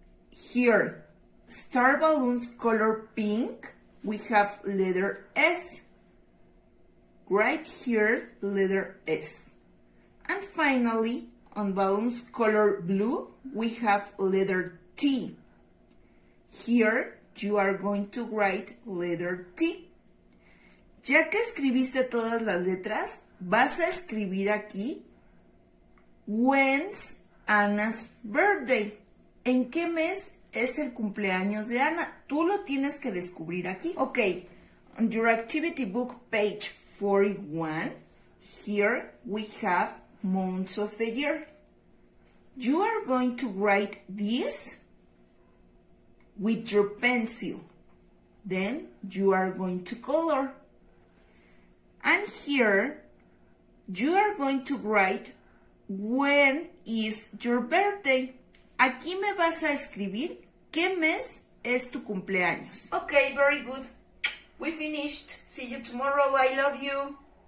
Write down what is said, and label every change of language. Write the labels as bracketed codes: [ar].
[en] Here, star balloons color pink, we have letter S. Write here, letter S. And finally, on balloons color blue, we have letter T. Here, you are going to write letter T. [es] Ya que escribiste todas las letras, vas a escribir aquí, [en] when's Anna's birthday? [es] ¿En qué mes es el cumpleaños de Ana? Tú lo tienes que descubrir aquí. [en] Ok, on your activity book page 41, here we have months of the year. You are going to write this with your pencil. Then you are going to color. And here, you are going to write when is your birthday. [es] Aquí me vas a escribir qué mes es tu cumpleaños. [en] Okay, very good. We finished. See you tomorrow. I love you.